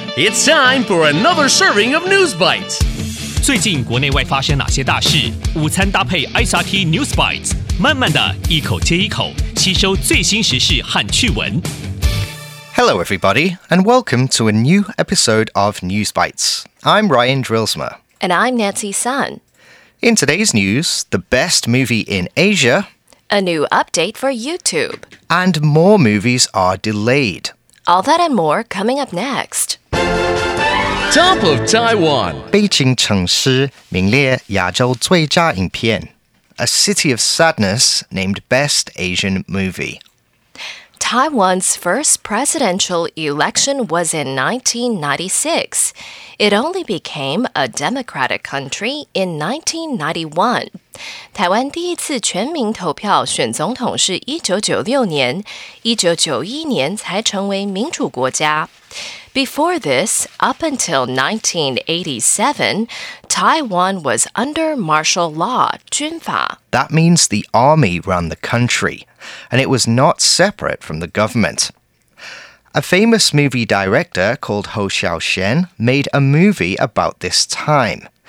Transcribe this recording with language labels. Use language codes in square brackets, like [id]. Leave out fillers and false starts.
[en] It's time for another serving of News Bites. [zh] 最近国内外发生哪些大事？午餐搭配 SRT News Bites， 慢慢的一口接一口，吸收最新时事和趣闻。 [en] Hello, everybody, and welcome to a new episode of News Bites. I'm Ryan Drillsma. And I'm Nancy Sun. In today's news, the best movie in Asia, a new update for YouTube, and more movies are delayed. All that and more coming up next. Top of Taiwan. [zh] 悲情城市名列亚洲最佳影片 [en] A City of Sadness named Best Asian Movie. Taiwan's first presidential election was in 1996. It only became a democratic country in 1991. [zh] 台湾第一次全民投票选总统是1996年,1991年才成为民主国家。 [en] Before this, up until 1987, Taiwan was under martial law, 军法. That means the army ran the country, and it was not separate from the government. A famous movie director called Hou Hsiao-hsien made a movie about this time.